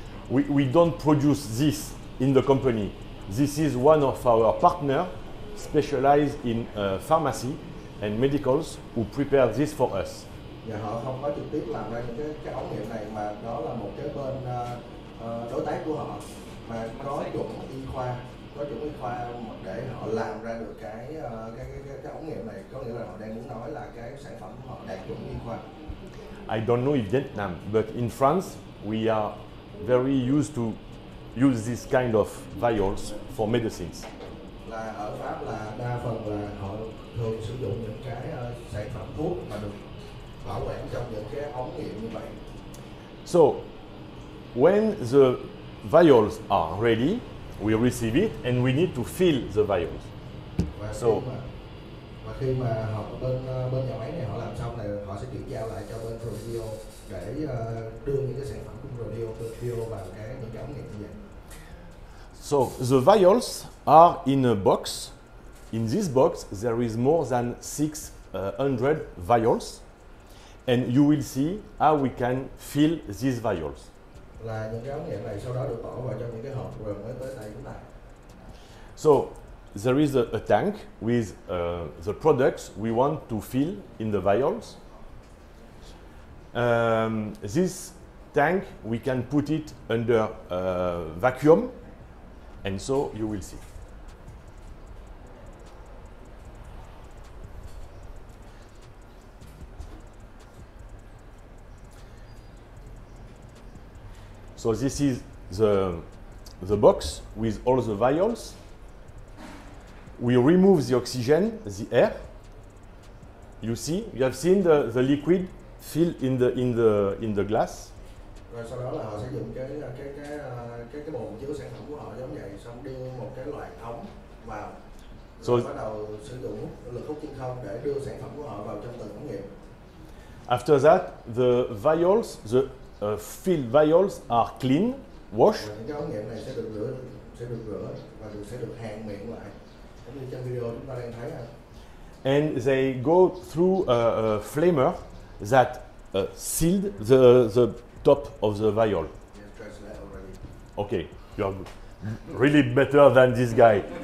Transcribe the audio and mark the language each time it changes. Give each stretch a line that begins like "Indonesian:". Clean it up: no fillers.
English: We don't produce this in the company. This is one of our partners specialized in pharmacy and medicals who prepare this for us.
Vietnamese: Yeah, họ không có trực tiếp làm ra cái ống nghiệm này mà đó là một cái bên đối tác của họ mà có chuẩn y khoa. Có chủ y khoa để họ làm ra được cái ống nghiệm này, có nghĩa là họ đang muốn nói là cái sản phẩm của họ đạt chuẩn y khoa.
English: I don't know in Vietnam, but in France we are very used to use this kind of vials for medicines.
Vietnamese: là ở Pháp là đa phần là họ thường sử dụng những cái sản phẩm thuốc mà được bảo quản trong những cái ống nghiệm như vậy.
English: So when the vials are ready, we receive it and we need to fill the vials.
Vietnamese: Và so mà khi mà họ bên bên nhà máy này họ làm xong này, họ sẽ chuyển giao lại cho bên Rodeo để đưa những cái sản phẩm của Rodeo vào cái những cái ống nghiệm như vậy.
English: So the vials are in a box. In this box, there is more than 600 vials, and you will see how we can fill these vials.
Vietnamese: Là những cái ống nghiệm này sau đó được bỏ vào trong những cái hộp rồi mới tới tay chúng ta.
English: So there is a tank with the products we want to fill in the vials. This tank we can put it under vacuum. And so you will see. So this is the box with all the vials. We remove the oxygen, the air. You see, you have seen the liquid filled in the glass.
Vietnamese: Rồi sau đó là họ sẽ dùng cái bồn chứa sản phẩm của họ giống vậy, xong đưa một cái loại ống vào, rồi bắt đầu sử dụng lực hút chân không để đưa sản phẩm của họ vào trong từng ống nghiệm.
English: After that, the vials, the filled vials are clean, washed.
Vietnamese: Những cái ống nghiệm này sẽ được rửa và sẽ được hàn miệng lại, giống như trong video chúng ta đang thấy.
English: And they go through a flamer that sealed the top of the vial. Yes, already. Okay, you are really better than this guy.